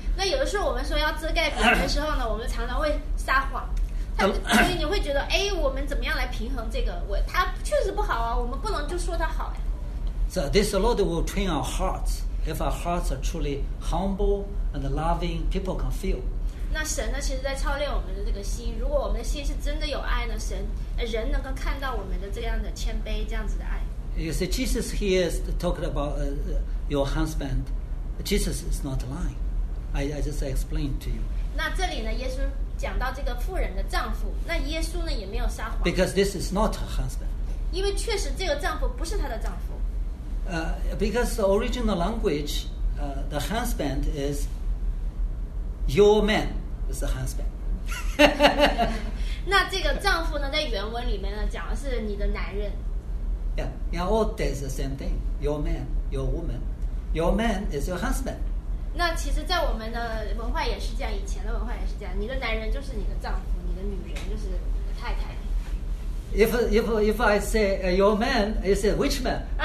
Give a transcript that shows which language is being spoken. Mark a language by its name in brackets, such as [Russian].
[Chinese] 那有的时候我们说要遮盖别人的时候呢，我们常常会撒谎。所以你会觉得，哎，我们怎么样来平衡这个？他确实不好啊，我们不能就说他好呀。 [English] So this Lord will train our hearts. If our hearts are truly humble and loving, people can feel. [Chinese] 那神呢，其实在操练我们的这个心。如果我们的心是真的有爱呢，神人能够看到我们的这样的谦卑，这样子的爱。 [English] You see, Jesus here is talking about your husband. Jesus is not lying. I just explained to you. [Chinese] 那这里呢，耶稣。讲到这个妇人的丈夫，那耶稣呢也没有撒谎。 [English] Because this is not her husband. [Chinese] 因为确实这个丈夫不是她的丈夫。 [English] Because the original language, the husband is your man is the husband. [Chinese] 那这个丈夫呢，在原文里面呢讲的是你的男人。 [English] Yeah, in old days the same thing. Your man, your woman, your man is your husband. [Chinese] 那其实在我们的文化也是这样，以前的文化也是这样，你的男人就是你的丈夫，你的女人就是太太。 [English] If I say your man, you say which man?